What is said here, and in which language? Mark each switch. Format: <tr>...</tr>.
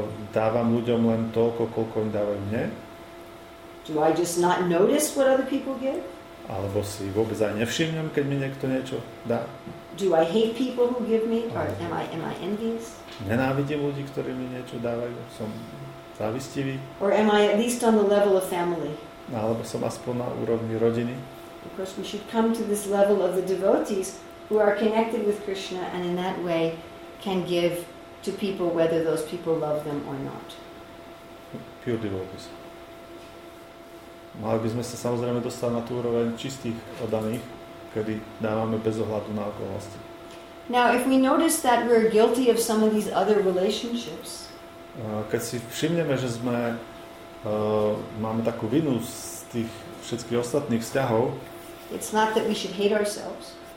<sk>Dávam ľuďom len toľko, koľko im dávajú mne?</sk> <en>Do I just not notice what other people give?</en> <sk>Alebo si vôbec aj nevšimnem, keď mi niekto niečo dá?</sk> <en>Do I hate people who give me? Or am I envious?</en> <sk>Nenávidím ľudí, ktorí mi niečo dávajú. Som závistivý.</sk> <en>Or am I at least on the level of family?</en> <sk>Alebo som aspoň na úrovni rodiny.</sk> <en>Of course we should come to this level of the devotees who are connected with Krishna and in that way can give to people whether those people love them or not. Pure devotees.</en> <sk>Mali by sme sa samozrejme dostali na tú úroveň čistých oddaných, kedy dávame bez ohľadu na okolnosti.</sk> <en>Now if we notice that we're guilty of some of these other relationships,</en> <sk>keď si všimneme, že sme máme takú vinu z tých všetkých ostatných vzťahov,</sk> <en>it's not that we should hate ourselves,</en>